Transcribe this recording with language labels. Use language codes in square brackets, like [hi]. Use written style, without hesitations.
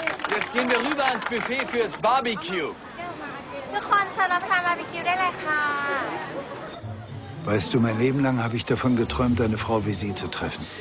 [de] Jetzt gehen wir rüber ans Buffet fürs Barbecue. [th] ทุกคนเชิญรับประทานบาร์บีคิวได้เลยค่ะ [de] Weißt du, mein Leben lang habe ich davon geträumt, eine Frau wie sie zu treffen.